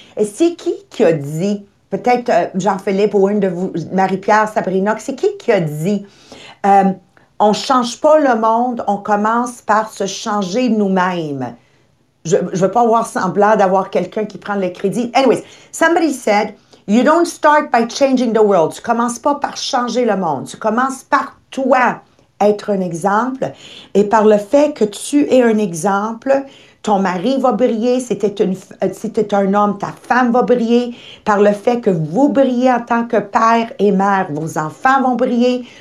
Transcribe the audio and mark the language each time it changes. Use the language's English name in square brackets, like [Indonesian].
[French] Et c'est qui a dit, peut-être Jean-Philippe ou une de vous, Marie-Pierre, Sabrina, c'est qui a dit, on ne change pas le monde, on commence par se changer nous-mêmes. Je ne veux pas avoir semblant d'avoir quelqu'un qui prend le crédit. [English] Anyways, somebody said, you don't start by changing the world. [French] Tu commences pas par changer le monde. Tu commences par toi être un exemple et par le fait que tu es un exemple, ton mari va briller. Si t'es un homme, ta femme va briller. Par le fait que vous brillez en tant que père et mère, vos enfants vont briller.